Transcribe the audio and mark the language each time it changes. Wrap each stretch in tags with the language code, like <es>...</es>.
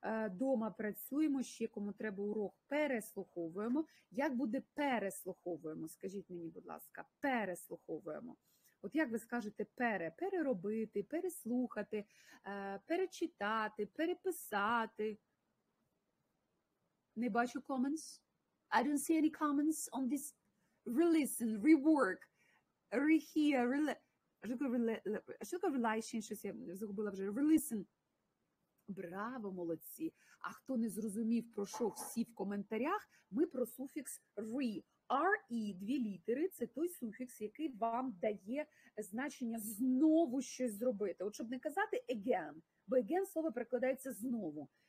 <uk>Дома працюємо, ще кому треба урок, переслуховуємо. Як буде переслуховуємо? Скажіть мені, будь ласка, переслуховуємо. От як ви скажете пере? Переробити, переслухати, перечитати, переписати. Не бачу comments.</uk> <en>I don't see any comments on this re-listen, rework, re-hear, re-listen.</en> <uk>Що таке re-listen? Щось я загубила вже. Re-listen. Браво, молодці! А хто не зрозумів, про що всі в коментарях, ми про суфікс re. Re, дві літери, це той суфікс, який вам дає значення знову щось зробити. От щоб не казати again, бо again слово перекладається знову.</uk>